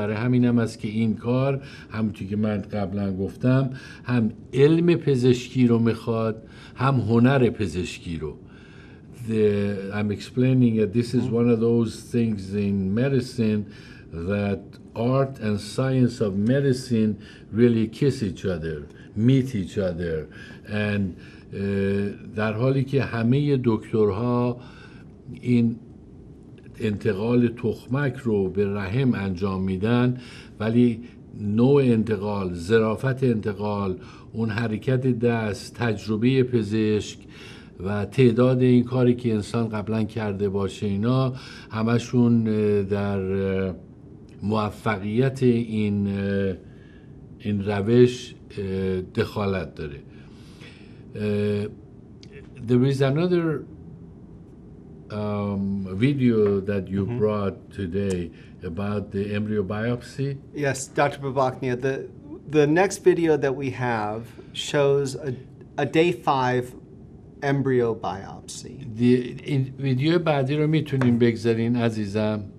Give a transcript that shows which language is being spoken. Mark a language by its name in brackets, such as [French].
[Persian] برای همینم است که این کار همونطور که من قبلا گفتم هم علم پزشکی رو میخواد هم هنر پزشکی رو. [English] I'm explaining that this is one of those things in medicine that art and science of medicine really kiss each other, meet each other. [Persian] And در حالی که همه دکترها این انتقال تخمک رو به رحم انجام میدن، ولی نوع انتقال، ظرافت انتقال، اون حرکت دست، تجربه پزشک و تعداد این کاری که انسان قبلا کرده باشه، اینا همشون در موفقیت این روش دخالت داره. [English] There is another video that you brought today about the embryo biopsy. Yes, Dr. Babaknia, the next video that we have shows a day 5 embryo biopsy. [Persian] این ویدیو بعدی رو میتونیم بگذارین عزیزم.